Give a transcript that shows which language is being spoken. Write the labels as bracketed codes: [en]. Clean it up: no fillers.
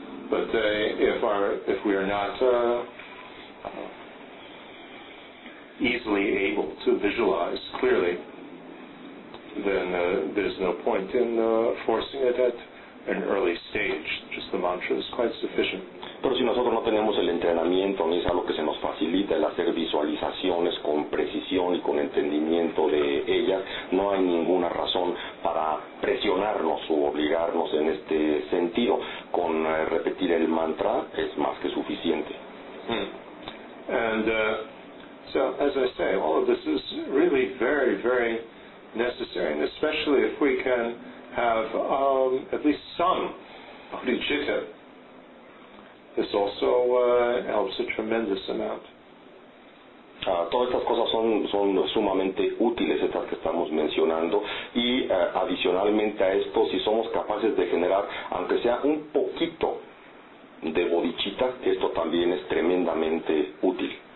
[en] But if we are not easily able to visualize clearly, then there's no point in forcing it at an early stage. Just the mantra is quite sufficient. [es] Pero si nosotros no tenemos el entrenamiento, ni es algo que se nos facilita el hacer visualizaciones con precisión y con entendimiento de ellas, no hay ninguna razón para presionarnos o obligarnos en este sentido. Con repetir el mantra es más que suficiente. [en] And so, as I say, all of this is really very, very necessary, and especially if we can have at least some bodhicitta, this also helps a tremendous amount. [es] Todas estas cosas son sumamente útiles, estas que estamos mencionando, y adicionalmente a esto, si somos capaces de generar aunque sea un poquito de bodhicitta, esto también es tremendamente útil.